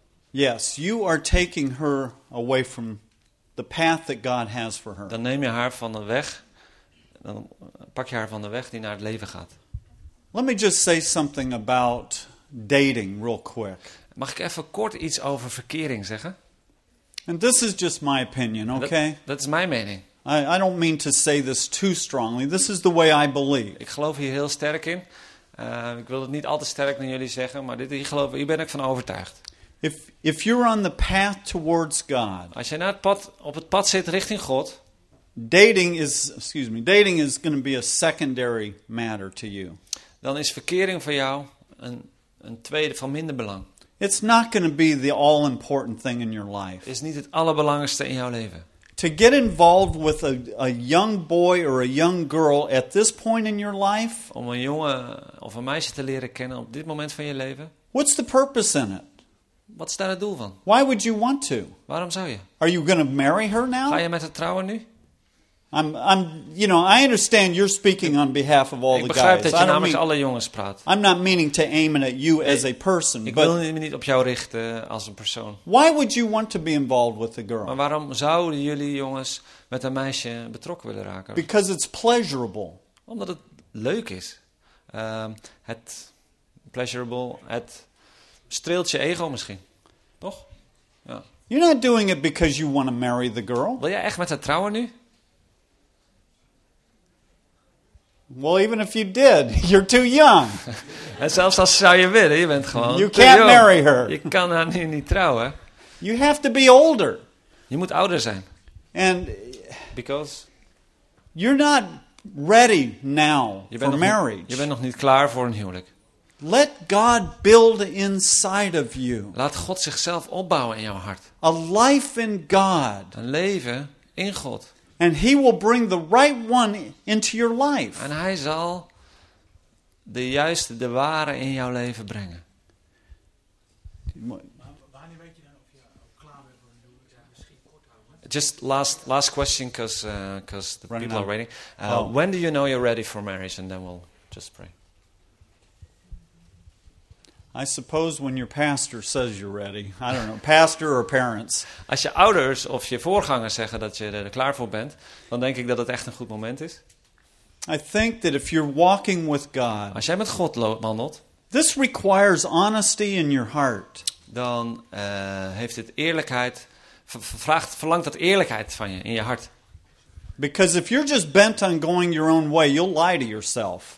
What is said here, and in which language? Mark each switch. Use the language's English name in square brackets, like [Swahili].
[English] Yes, you are taking her away from the path that God has for her. [Dutch] Dan neem je haar van de weg. Dan pak je haar van de weg die naar het leven gaat. [English] Let me just say something about dating real quick. [Dutch] Mag ik even kort iets over verkering zeggen? [English] And this is just my opinion, okay? [Dutch] Dat is mijn mening. [English] I don't mean to say this too strongly. This is the way I believe. [Dutch] Ik geloof hier heel sterk in. Ik wil het niet al te sterk naar jullie zeggen, maar hier ben ik van overtuigd. [English] If you're on the path towards God. [Dutch] Als je op het pad zit richting God. [English] Dating is going to be a secondary matter to you. [Dutch] Dan is verkering voor jou een tweede van minder belang. [English] It's not going to be the all important thing in your life. [Dutch] Is niet het allerbelangrijkste in jouw leven. [English] To get involved with a young boy or a young girl at this point in your life. [Dutch] Om een jongen of een meisje te leren kennen op dit moment van je leven. [English] What's the purpose in it? [Dutch] Wat is daar het doel van? [English] Why would you want to? [Dutch] Waarom zou je? [English] Are you going to marry her now? [Dutch] Ga je met haar trouwen nu? [English] I'm you know, I understand you're speaking on behalf of all the guys. [Dutch] Ik begrijp dat je namens alle jongens praat. [English] I'm not meaning to aim it at you as a person. [Dutch] Ik wil me niet op jou richten als een persoon. [English] Why would you want to be involved with a girl? [Dutch] Maar waarom zouden jullie jongens met een meisje betrokken willen raken? [English] Because it's pleasurable. [Dutch] Omdat het leuk is. Het pleasurable, het streelt je ego misschien. Toch? Ja. [English] You're not doing it because you want to marry the girl. [Dutch] Wil jij echt met haar trouwen nu? [English] Well, even if you did, you're too young. [Dutch] En zelfs als zou je willen, je bent gewoon [English] you can't [Dutch] te jong. [English] Marry her. [Dutch] Je kan haar nu niet trouwen. [English] You have to be older. [Dutch] Je moet ouder zijn. [English] And because you're not ready now for marriage. [Dutch] Je bent nog niet klaar voor een huwelijk. [English] Let God build inside of you. [Dutch] Laat God zichzelf opbouwen in jouw hart. [English] A life in God. [Dutch] Een leven in God. [English] And he will bring the right one into your life. [Dutch] En hij zal de juiste, de ware in jouw leven brengen. Wanneer weet je dan of je klaar bent voor een huwelijk? [English] Just last question, because the running people out. Are waiting. When do you know you're ready for marriage? And then we'll just pray. I suppose when your pastor says you're ready. I don't know, pastor or parents. [Dutch] Als je ouders of je voorganger zeggen dat je er klaar voor bent, dan denk ik dat het echt een goed moment is. [English] I think that if you're walking with God. [Dutch] Als jij met God wandelt. [English] This requires honesty in your heart. [Dutch] Dan heeft het eerlijkheid verlangt dat eerlijkheid van je in je hart. [English] Because if you're just bent on going your own way, you'll lie to yourself.